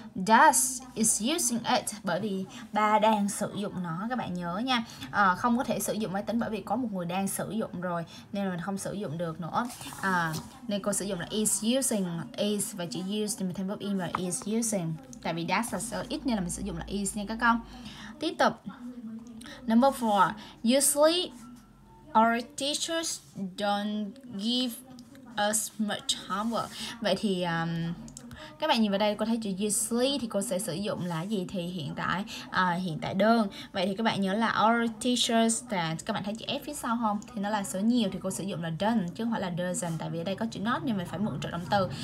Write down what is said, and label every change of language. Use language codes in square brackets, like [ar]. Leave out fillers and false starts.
[en] Dad is using it. [vi] Bởi vì ba đang sử dụng nó. Các bạn nhớ nha. À, không có thể sử dụng máy tính bởi vì có một người đang sử dụng rồi. Nên là mình không sử dụng được nữa. À, nên cô sử dụng là [en] is using. [vi] Is và chữ use thì mình thêm verb in vào is using. Tại vì dad là sử ít nên là mình sử dụng là is nha các con. Tiếp tục. Number 4. [en] Usually our teachers don't give us much homework. [vi] Vậy thì các bạn nhìn vào đây cô thấy chữ usually thì cô sẽ sử dụng là gì thì hiện tại đơn. Vậy thì các bạn nhớ là our teachers, các bạn thấy chữ F phía sau không? Thì nó là số nhiều thì cô sử dụng là don't chứ không phải là doesn't. Tại vì ở đây có chữ not nên mình phải mượn trợ động từ.